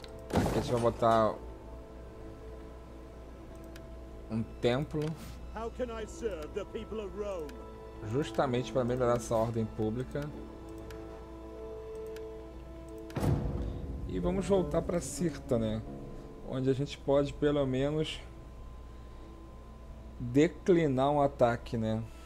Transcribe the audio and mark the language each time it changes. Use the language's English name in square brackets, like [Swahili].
[Portuguese] Aqui a gente vai botar um templo. [English] How can I serve the people of Rome? [Portuguese] Justamente para melhorar essa ordem pública. E vamos voltar para Cirta, né? Onde a gente pode pelo menos declinar um ataque, né?